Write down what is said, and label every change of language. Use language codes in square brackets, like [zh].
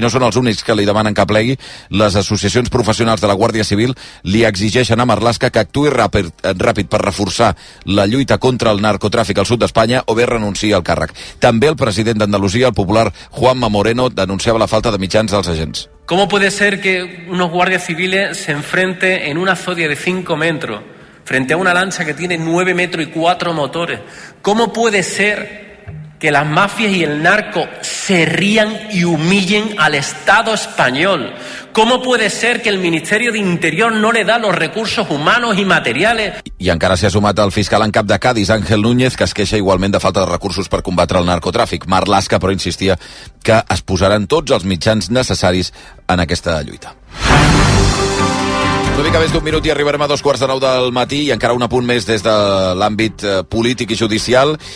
[ca] I no són els únics que li demanen que plegui. Les associacions professionals de la Guàrdia Civil li exigeixen a Marlaska que actuï ràpid per reforçar la lluita contra el narcotràfic al sud d'Espanya o bé renunciï al càrrec. També el president d'Andalusia, el popular Juanma Moreno, denunciava la falta de mitjans dels agents. [es] ¿Cómo puede ser que unos guardias civiles se enfrenten en una zodia de 5 metros frente a una lancha que tiene 9 metros y 4 motores? ¿Cómo puede ser que las mafias y el narco se rían y humillen al Estado español? ¿Cómo puede ser que el Ministerio de Interior no le da los recursos humanos y materiales? [ca] I encara s'hi ha sumat el fiscal en cap de Cádiz, Ángel Núñez, que es queixa igualment de falta de recursos per combatre el narcotràfic. Marlaska, però, insistia que es posaran tots els mitjans necessaris en aquesta lluita. Una mica més d'un minut i arribarem a 8:45 del matí, i encara un apunt més des de l'àmbit polític i judicial.